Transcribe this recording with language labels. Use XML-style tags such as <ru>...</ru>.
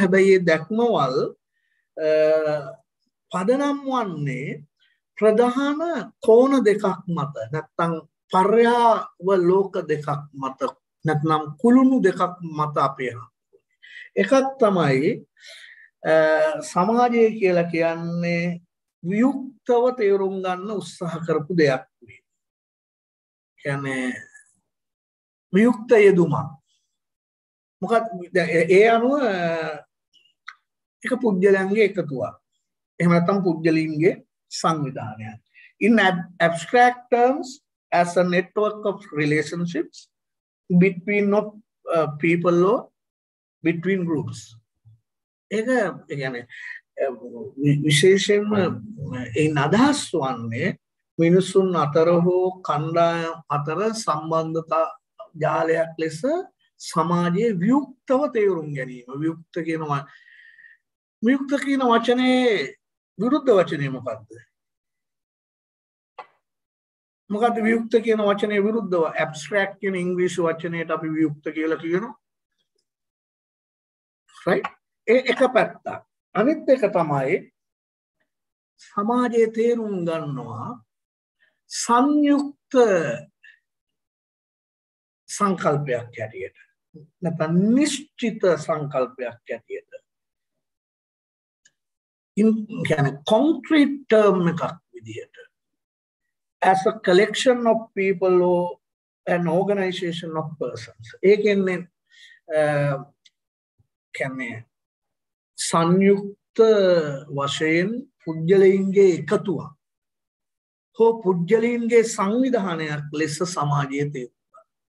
<si>හැබැයි මේ දැක්මවල් පදනම් වන්නේ ප්‍රධාන කෝණ දෙකක් මත, නැත්නම් පර්යාව ලෝක දෙකක් මත, නැත්නම් කුළුණු දෙකක් මත අපේ හඳුනන එකක් තමයි සමාජය කියලා කියන්නේ ව්‍යුක්තව තේරුම් ගන්න උත්සාහ කරපු දෙයක් වේ. කියන්නේ ව්‍යුක්ත යෙදුම මොකක්ද? ඒ අනුව එක පුද්ගලයන්ගේ එකතුවක්, එහෙම නැත්නම් පුද්ගලින්ගේ සංවිධානයක්.</si> <en>In abstract terms, as a network of relationships between of people or between groups.</en> <si>ඒක කියන්නේ විශේෂයෙන්ම ඒ අදහස් වන්නේ මිනිසුන් අතර හෝ කණ්ඩායම් අතර සම්බන්ධතා ජාලයක් ලෙස සමාජයේ ව්‍යුක්තව තේරුම් ගැනීම. ව්‍යුක්ත කියන වචනේ විරුද්ධ වචනේ මොකද්ද? මොකද්ද ව්‍යුක්ත කියන වචනේ විරුද්ධව? ඇබ්ස්ට්‍රැක්ට් කියන ඉංග්‍රීසි වචනයට අපි ව්‍යුක්ත කියලා කියනවා. ඒ එක පැත්තක්. අනිත් එක තමයි සමාජයේ තේරුම් ගන්නවා සංයුක්ත සංකල්පයක් හැටියට, නැත්නම් නිශ්චිත සංකල්පයක් හැටියට. කියන්නේ කොන්ක්‍රීට් ටර්ම් එකක් විදිහට,</si> <en>as a collection of people or an organization of persons.</en> <si>ඒකෙන් කියන්නේ සංයුක්ත වශයෙන් පුජ්‍යලයින්ගේ එකතුව හෝ පුජ්‍යලයින්ගේ සංවිධානයක් ලෙස සමාජයේ තේරුම් ගන්න.</si>